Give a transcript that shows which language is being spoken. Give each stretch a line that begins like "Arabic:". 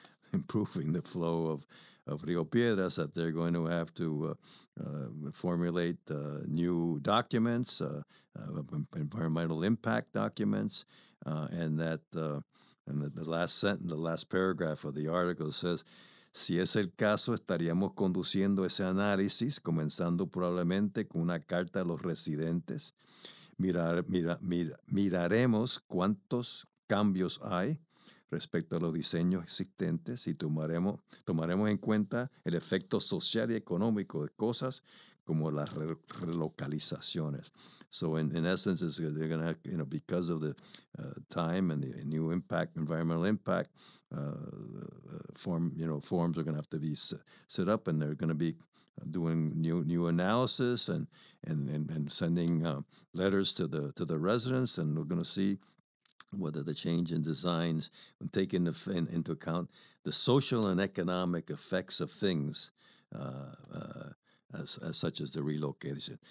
English: improving the flow of Rio Piedras, that they're going to have to formulate new documents, environmental impact documents, and that the last paragraph of the article says,
Spanish: Si es el caso, estaríamos conduciendo ese análisis, comenzando probablemente con una carta a los residentes. Miraremos cuántos cambios hay respecto a los diseños existentes y tomaremos en cuenta el efecto social y económico de cosas como las relocalizaciones.
English: So in essence, it's they're gonna have, you know, because of the time and the new impact, environmental impact, forms are gonna have to be set up, and they're gonna be doing new analysis and sending letters to the residents, and we're gonna see whether the change in designs and taking into account the social and economic effects of things such as the relocation.